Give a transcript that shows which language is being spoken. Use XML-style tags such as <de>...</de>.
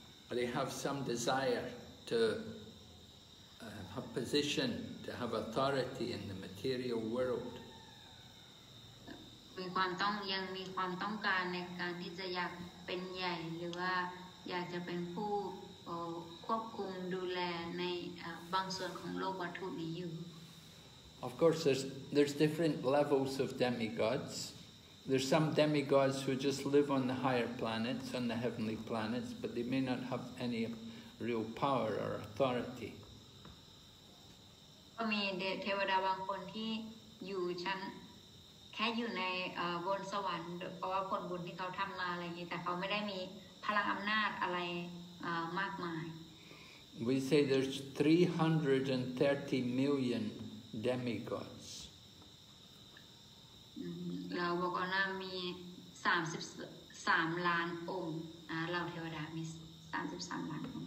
<en>They have some desire to have position, to have authority in the material world.</en> <th>มีความต้องยังมีความต้องการในการที่จะอยากเป็นใหญ่หรือว่าอยากจะเป็นผู้ควบคุมดูแลในบางส่วนของโลกวัตถุนี้อยู่</th> <en>Of course there's different levels of demigods. There's some demigods who just live on the higher planets, on the heavenly planets, but they may not have any real power or authority.</en> <th>ก็มีเทวดาบางคนที่อยู่ชั้นแค่อยู่ในบนสวรรค์เพราะว่าผลบุญที่เขาทำมาอะไรอย่างนี้แต่เขาไม่ได้มีพลังอำนาจอะไรมากมาย</th> <en>We say there's 330 million demigods</en> <th>เราบอกว่ามี33ล้านองค์เราเทวดามี33ล้านองค</th>